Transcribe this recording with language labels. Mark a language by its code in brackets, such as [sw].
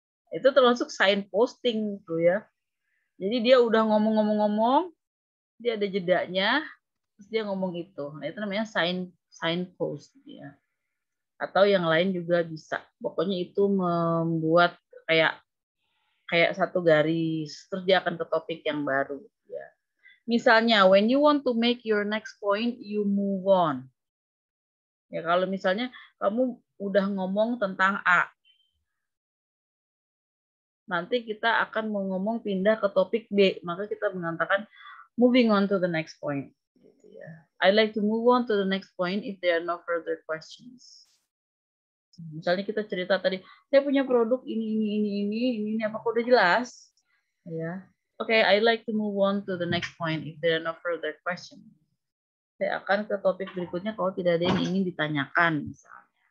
[id] Itu termasuk signposting tuh ya. Jadi dia udah ngomong-ngomong-ngomong, dia ada jedanya, terus dia ngomong itu. Nah, itu namanya signpost ya. Atau yang lain juga bisa. Pokoknya itu membuat kayak satu garis, terus dia akan ke topik yang baru ya. [en] Misalnya when you want to make your next point, you move on. [id] Ya, kalau misalnya kamu udah ngomong tentang A, nanti kita akan ngomong pindah ke topik B, maka kita mengatakan [en] moving on to the next point. I'd like to move on to the next point if there are no further questions. [id] Misalnya kita cerita tadi, saya punya produk ini, apa udah jelas? Ya. [en] Okay, I'd like to move on to the next point if there are no further questions. [id] Saya akan ke topik berikutnya kalau tidak ada yang ingin ditanyakan, misalnya.